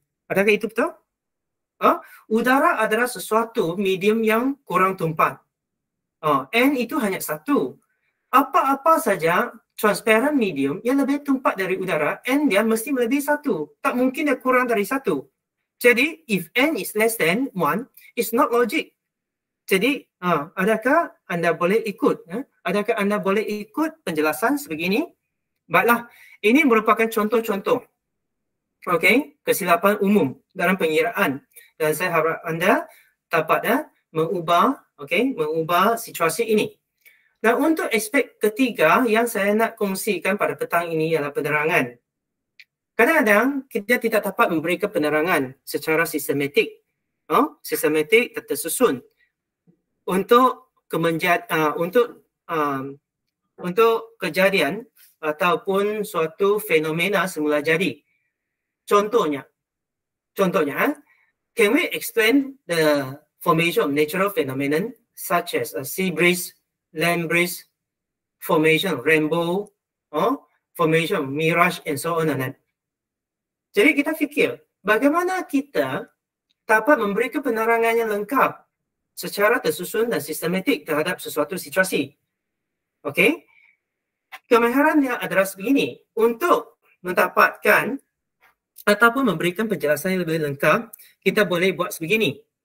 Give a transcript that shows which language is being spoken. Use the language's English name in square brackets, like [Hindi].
[Malay] Adakah itu betul? Udara adalah sesuatu medium yang kurang tumpat. N itu hanya 1. Apa-apa saja transparent medium yang lebih tumpat dari udara, N dia mesti melebihi 1. Tak mungkin dia kurang dari 1. [English] Jadi, if N is less than 1, it's not logic. [Malay] Jadi, adakah anda boleh ikut? Adakah anda boleh ikut penjelasan sebegini? Baiklah, ini merupakan contoh-contoh, okay, kesilapan umum dalam pengiraan. Dan saya harap anda dapat mengubah, okay, mengubah situasi ini. Dan untuk aspek ketiga yang saya nak kongsikan pada petang ini ialah penerangan. Kadang-kadang kita tidak dapat memberikan penerangan secara sistematik. Sistematik dan tersusun untuk untuk kejadian ataupun suatu fenomena semula jadi. [English] Contohnya, can we explain the formation of natural phenomenon such as a sea breeze, land breeze, formation of rainbow, formation of mirage and so on and that. [Malay] Jadi kita fikir, bagaimana kita dapat memberikan penerangan yang lengkap secara tersusun dan sistematik terhadap sesuatu situasi. Okay? Kemahirannya adalah sebegini. Untuk mendapatkan ataupun memberikan penjelasan yang lebih lengkap, kita boleh buat sebegini.